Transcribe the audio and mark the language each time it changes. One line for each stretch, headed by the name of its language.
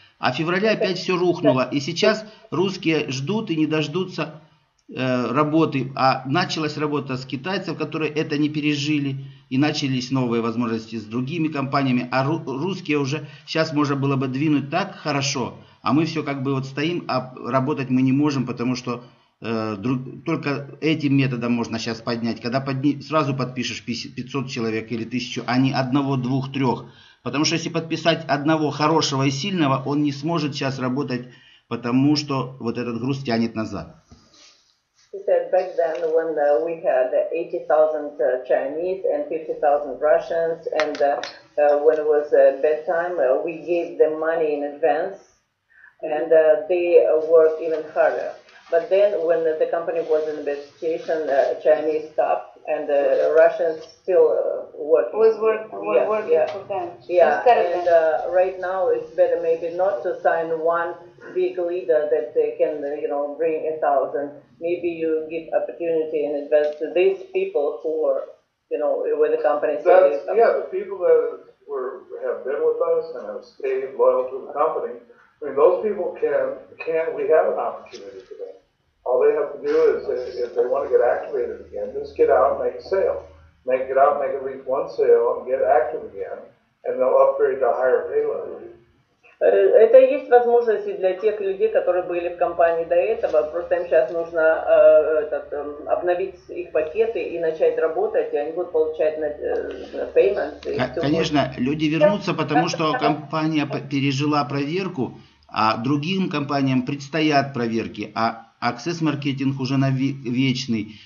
Russian: А в феврале опять все рухнуло, и сейчас русские ждут и не дождутся работы, а началась работа с китайцев, которые это не пережили, и начались новые возможности с другими компаниями, а русские уже сейчас можно было бы двинуть так хорошо, а мы все как бы вот стоим, а работать мы не можем, потому что только этим методом можно сейчас поднять, когда сразу подпишешь 500 человек или 1000, а не одного, двух, трех. Потому что если подписать одного хорошего и сильного, он не сможет сейчас работать, потому что вот этот груз тянет назад.
English: He said back then when we had 80,000 Chinese and 50,000 Russians, and when it was bedtime, we gave them money in advance, and they worked even harder. But then when the company was in a bad situation, Chinese stopped, and the Russians still working. Was working for them. Right now it's better maybe not to sign one big leader that they can, you know, bring 1,000. Maybe you give opportunity and advance to these people who were, you know, where the company started. That's, yeah, the people that have been with us and have stayed loyal to the company, I mean, those people can we have an opportunity for them. All they have to do is, if they want to get activated again, just get out and make a sale. Make at least one sale and get active again, and they'll upgrade to higher payload.
Russian: Это есть возможности для тех людей, которые были в компании до этого, просто им сейчас нужно обновить их пакеты и начать работать, и они будут получать payments. Конечно, люди вернутся, потому что компания пережила проверку, а другим компаниям предстоят проверки, а аксесс-маркетинг уже вечный.